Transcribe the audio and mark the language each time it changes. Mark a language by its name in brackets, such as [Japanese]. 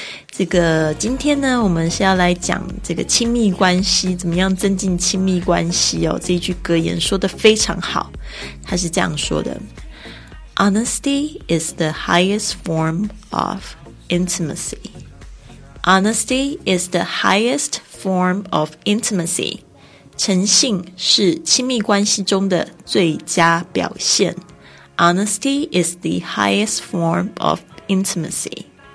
[Chinese] 这个今天呢，我们是要来讲这个亲密关系，怎么样增进亲密关系哦。这一句格言说得非常好，它是这样说的， [English] Honesty is the highest form of intimacy. Honesty is the highest form of intimacy. [Chinese] 诚信是亲密关系中的最佳表现。 [English] Honesty is the highest form of intimacy.